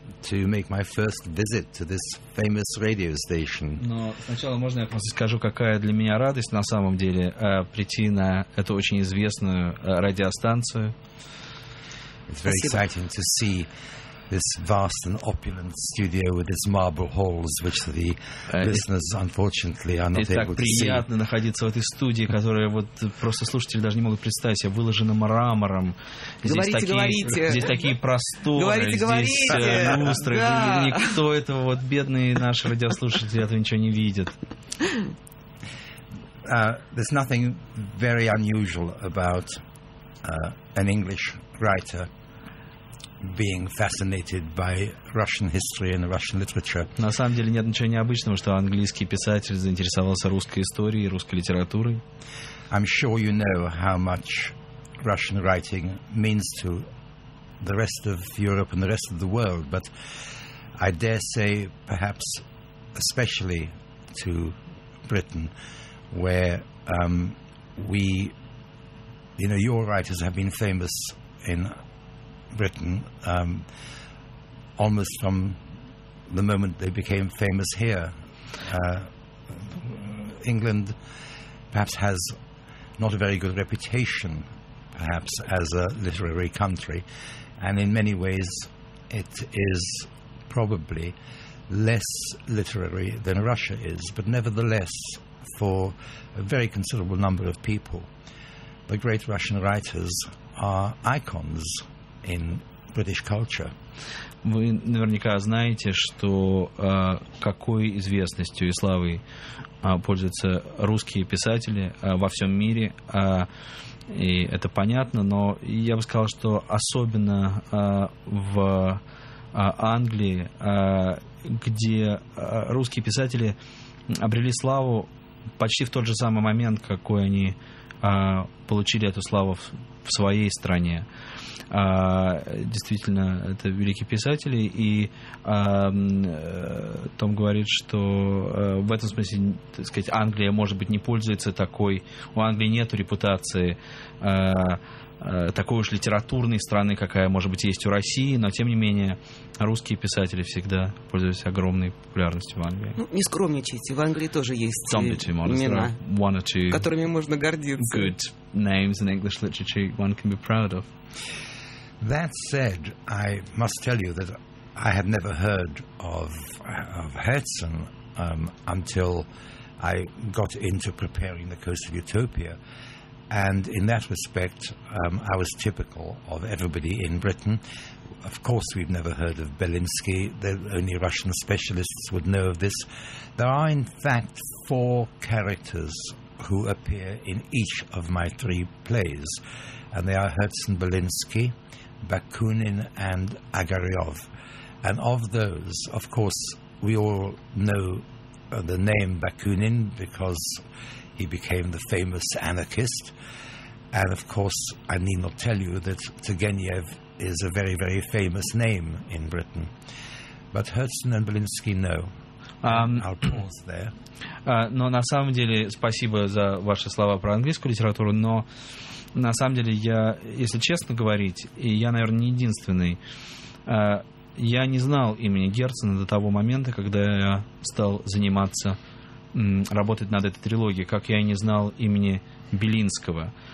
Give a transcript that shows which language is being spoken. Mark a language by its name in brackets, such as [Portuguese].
[English] To make my first visit to this famous radio station. [Russian] Но сначала можно я просто скажу, какая для меня радость на самом деле прийти на эту очень известную радиостанцию. [English] It's very [Russian] Спасибо. [English] Exciting to see this vast and opulent studio with its marble halls, which the listeners unfortunately are not able to see. [Russian] Так приятно находиться в этой студии, которая вот просто слушатели даже не могут представить, себе, выложена мрамором. Здесь такие просторы, люстры. Да. Никто этого вот бедные наши радиослушатели этого ничего не видит. [English] There's nothing very unusual about an English writer being fascinated by Russian history and Russian literature. [Russian] На самом деле нет ничего необычного, что английский писатель заинтересовался русской историей и русской литературой. [English] I'm sure you know how much Russian writing means to the rest of Europe and the rest of the world, but I dare say perhaps especially to Britain, where we, you know, your writers have been famous in Britain, almost from the moment they became famous here. England perhaps has not a very good reputation, perhaps, as a literary country, and in many ways it is probably less literary than Russia is, but nevertheless for a very considerable number of people. The great Russian writers are icons in British culture. [Russian] Вы наверняка знаете, что какой известностью и славой пользуются русские писатели во всем мире. И это понятно, но я бы сказал, что особенно в Англии, где русские писатели обрели славу почти в тот же самый момент, какой они получили эту славу в своей стране. Действительно, это великие писатели, и Том говорит, что в этом смысле, так сказать, Англия, может быть, не пользуется такой, у Англии нет репутации такой уж литературной страны, какая, может быть, есть у России, но, тем не менее, русские писатели всегда пользуются огромной популярностью в Англии. Ну, не скромничайте, в Англии тоже есть имена, которыми можно гордиться. [English] Good names in English literature one can be proud of. That said, I must tell you that I had never heard of Herzen until I got into preparing The Coast of Utopia. And in that respect, I was typical of everybody in Britain. Of course, we've never heard of Belinsky. Only Russian specialists would know of this. There are, in fact, four characters who appear in each of my three plays. And they are Herzen, Belinsky, Bakunin, and Agaryov. And of those, of course, we all know the name Bakunin because he became the famous anarchist. And of course, I need not tell you that Turgenev is a very, very famous name in Britain. But Herzen and Belinsky, no. I'll pause there. [Russian] Но на самом деле, спасибо за ваши слова про английскую литературу, но на самом деле я, если честно говорить, и я, наверное, не единственный, я не знал имени Герцена до того момента, когда я стал заниматься, работать над этой трилогией, как я и не знал имени Белинского.